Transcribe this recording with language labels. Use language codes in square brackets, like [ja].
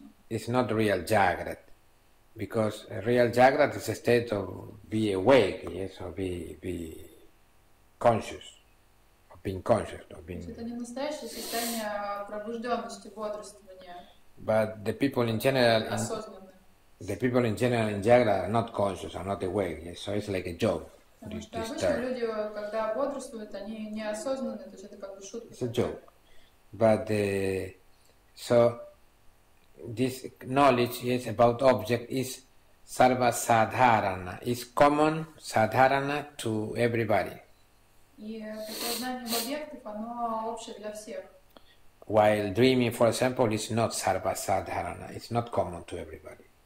[en] It's not real jagrat, because a real jagrat is a state of be awake, yes, or be conscious. Being conscious, or being... [ru] Это не настоящее состояние пробужденности, бодрствования. [en] But the people in general, [ru] осознанно. [en] The people in general in jagrat are not conscious, are not awake. Yes? So it's like a joke. [ru] Обычно люди, когда бодрствуют, они неосознанные, то есть это как бы шутка. [en] It's a joke. But so this knowledge is about object is sarva sadharana, is common sadharana to everybody. While dreaming, for example, is not sarva sadharana, it's not common to everybody.